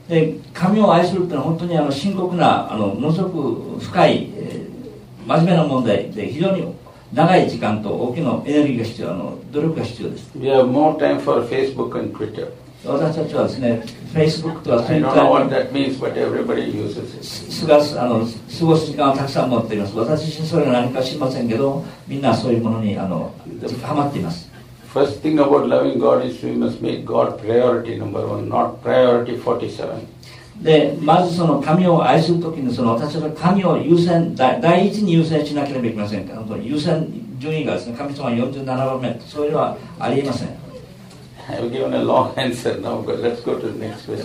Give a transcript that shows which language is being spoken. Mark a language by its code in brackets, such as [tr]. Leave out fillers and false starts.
[ja] で神を愛するというのは本当に深刻なものすごく深い、真面目な問題で、非常に長い時間と大きなエネルギーが必要、努力が必要です。 [en] We have more time for Facebook and Twitter. [ja] 私たちはですね、Facebook とか Twitter に過ごす時間をたくさん持っています。私自身それは何か知りませんけど、みんなそういうものにハマっています。 [en] First thing about loving God is we must make God priority number one, not priority 47. [ja] で、まずその神を愛するときに、その私たちは神を優先、第一に優先しなければいけませんか。優先順位がですね、神様47番目、そういうのはありえません。 [en] I've given a long answer now, but let's go to the next question.